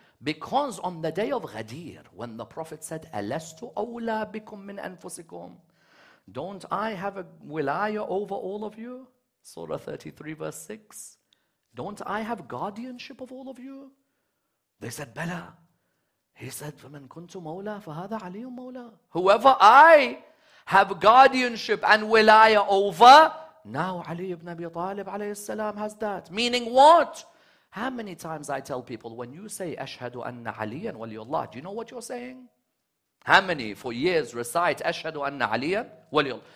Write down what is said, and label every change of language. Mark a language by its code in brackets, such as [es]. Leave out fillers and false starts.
[en] Because on the day of Ghadir, when the Prophet said, [ar] أَلَسْتُ أَوْلَى بِكُم مِّنْ أَنفُسِكُمْ, [en] don't I have a wilaya over all of you? Surah 33 verse 6. Don't I have guardianship of all of you? They said, Bala. He said, [ar] فَمَنْ كُنْتُ مَوْلَى فَهَذَا عَلِيٌّ مَوْلَى. [en] Whoever I have guardianship and wilaya over, now Ali ibn Abi Talib alayhi salam has that. Meaning what? How many times I tell people, when you say, [ar] أَشْهَدُ أَنَّ عَلِيًّا وَلِيُّ اللَّهِ, [en] do you know what you're saying? How many for years recite [ar] Ashhadu anna aliyan waliyul?